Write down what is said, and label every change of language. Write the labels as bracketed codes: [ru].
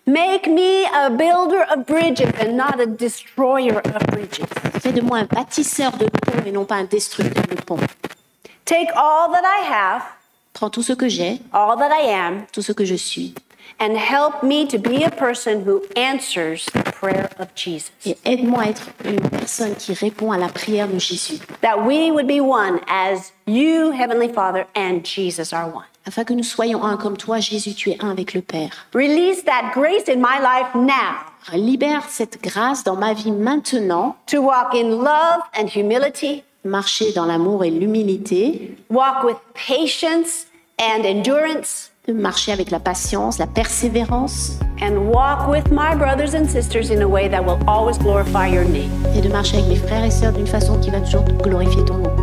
[en] Make me a builder of bridges and not a destroyer of bridges. [fr] Fais de moi un bâtisseur de ponts et non pas un destructeur de ponts. [en] Take all that I have. [fr] Prends tout ce que j'ai. [en] All that I am. [fr] Tout ce que je suis. [en] And help me to be a person who answers the prayer of Jesus. [fr] Et aide-moi à être une personne qui répond à la prière de Jésus. [en] That we would be one as you, Heavenly Father, and Jesus are one. [fr] Afin que nous soyons un comme toi, Jésus, tu es un avec le Père. [en] Release that grace in my life now. [fr] Libère cette grâce dans ma vie maintenant. [en] To walk in love and humility. [fr] Marcher dans l'amour et l'humilité. [en] Walk with patience and endurance. [fr] De marcher avec la patience, la persévérance. [en] And walk with my brothers and sisters in a way that will always glorify your name. [fr] Et de marcher avec mes frères et sœurs d'une façon qui va toujours glorifier ton nom.